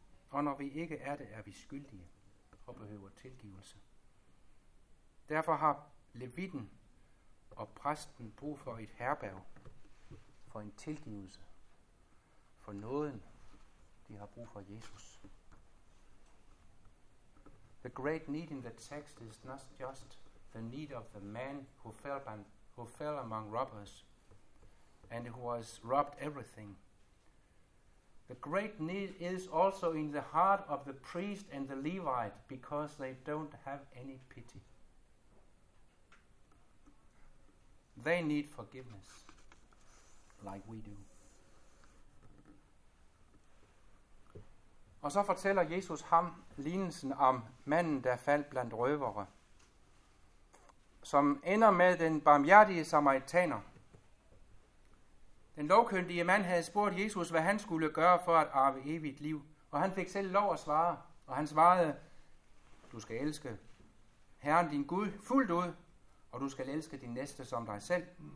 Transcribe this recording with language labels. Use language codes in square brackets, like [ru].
[da] Og når vi ikke er det, er vi skyldige og behøver tilgivelse. Derfor har levitten og præsten brug for et herberg, for en tilgivelse, for nåden, de har brug for Jesus. [en] The great need in the text is not just the need of the man who fell among robbers and who was robbed everything. The great need is also in the heart of the priest and the Levite because they don't have any pity. They need forgiveness, like we do. [da] Og så fortæller Jesus ham lignelsen om manden, der faldt blandt røvere. som ender med den barmhjertige samaritaner. Den lovkyndige mand havde spurgt Jesus, hvad han skulle gøre for at arve evigt liv, og han fik selv lov at svare, og han svarede, du skal elske Herren din Gud fuldt ud, og du skal elske din næste som dig selv.